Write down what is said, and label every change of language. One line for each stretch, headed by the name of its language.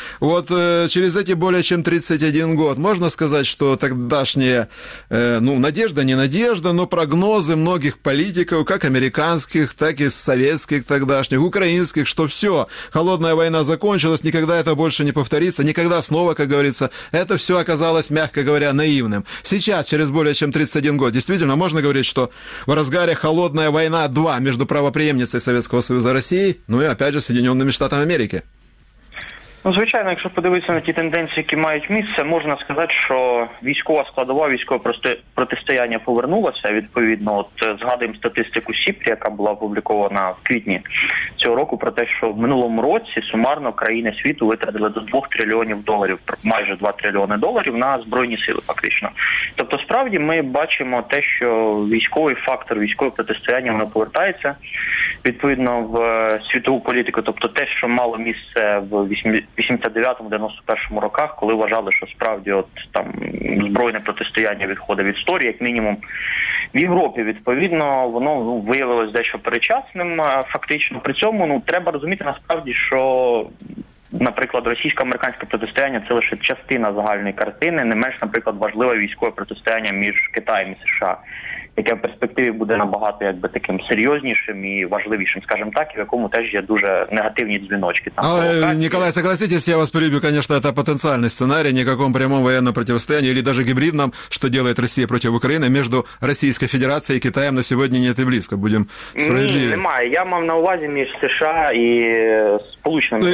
Russian: Вот через эти более чем 31 год можно сказать, что тогдашние, ну, надежда, не надежда, но прогнозы многих политиков, как американских, так и советских тогдашних, украинских, что все, холодная война закончилась, никогда это больше не повторится, никогда снова, как говорится, это все оказалось, мягко говоря, наивным. Сейчас, через более чем 31 год, действительно, можно говорить, что в разгаре холодная война 2 между правопреемницей Советского Союза России, ну и, опять же, Соединенными Штатами Америки?
Ukrainian: Звичайно, якщо подивитися на ті тенденції, які мають місце, можна сказати, що військова складова, військове протистояння повернулося. Відповідно, от згадуємо статистику СІПРІ, яка була опублікована в квітні цього року, про те, що в минулому році сумарно країни світу витратили до 2 трильйонів доларів, майже 2 трильйони доларів на збройні сили фактично. Тобто, справді ми бачимо те, що військовий фактор, військове протистояння, воно повертається. Відповідно, в світову політику, тобто те, що мало місце в 89-91 роках, коли вважали, що справді от там збройне протистояння відходить від історії, як мінімум в Європі, відповідно, воно виявилось дещо перечасним. Фактично, при цьому треба розуміти насправді, що, наприклад, російсько-американське протистояння – це лише частина загальної картини, не менш, наприклад, важливе військове протистояння між Китаєм і США, яке в перспективі буде набагато якби таким серйознішим і важливішим, скажімо так, і в якому теж є дуже негативні дзвіночки.
Russian: Там, але, Николай, согласитесь, я вас перебью, конечно, это потенциальный сценарий, никаком прямом военном противостоянии или даже гибридном, что делает Россия против Украины, между Российской Федерацией и Китаем на сегодня нет и близко, будем справедливы.
Ukrainian: Ні, немає, я мав на увазі між США і Сполученими